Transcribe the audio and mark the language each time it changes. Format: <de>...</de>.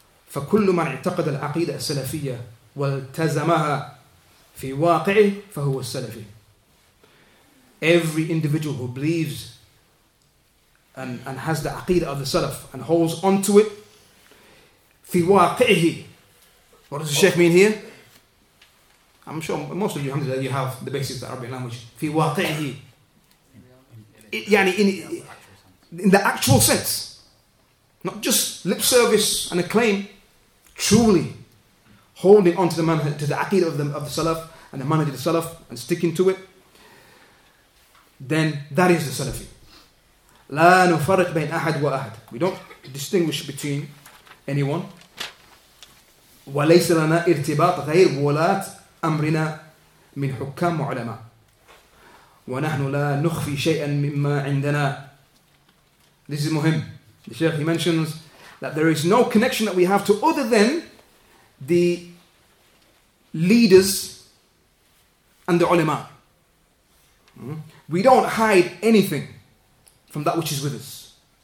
<ar>فكل من اعتقد العقيدة السلفية والتزمها في واقعه فهو السلفي.</ar> <en>Every individual who believes and has the عقيدة of the Salaf and holds on to it,</en> <ar>في واقعه.</ar> <en>What does the Sheikh mean here? I'm sure most of you, alhamdulillah, you have the basics of the Arabic language.</en> <ar>في واقعه.</ar> <en>يعني in the actual sense, not just lip service and a claim. Truly holding on to the manhaj, to the aqidah of the Salaf and the manhaj of the Salaf and sticking to it, then that is the Salafi.</en> <ar>لا نفرق بين أحد وأحد.</ar> <en>We don't distinguish between anyone.</en> <ar>وليس لنا ارتباط غير ولاة أمرنا من حكام وعلماء. ونحن لا نخفي شيئا مما عندنا.</ar> <en>This is muhim. The Sheikh, he mentions that there is no connection that we have to other than the leaders and the ulama. We don't hide anything from that which is with us.</en>